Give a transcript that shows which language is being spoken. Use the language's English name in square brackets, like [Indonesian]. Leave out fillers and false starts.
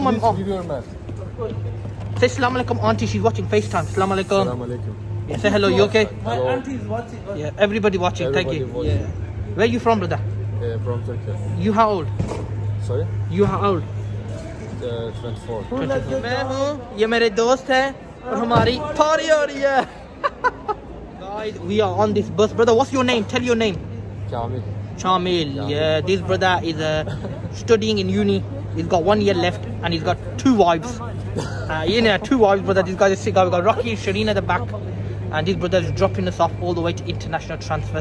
[English] my mom. Say salam alaikum, auntie. She's watching FaceTime. Salam alaikum. Salam alaikum. Yeah, say hello. You okay? My auntie is watching. Yeah, everybody watching. Everybody thank you. Watching. Yeah. Where you from, brother? From Turkey. You how old? Sorry. You how old? 24. [Hindi] मैं हूँ, ये मेरे दोस्त हैं और हमारी party हो रही है. [English] Guys, we are on this bus, brother. What's your name? Tell your name. Chamil. Yeah, this brother is studying in uni. He's got 1 year left and he's got two wives. Two wives, brother. This guy is sick. We got Rocky and Shireen at the back, and this brother is dropping us off all the way to international transfer.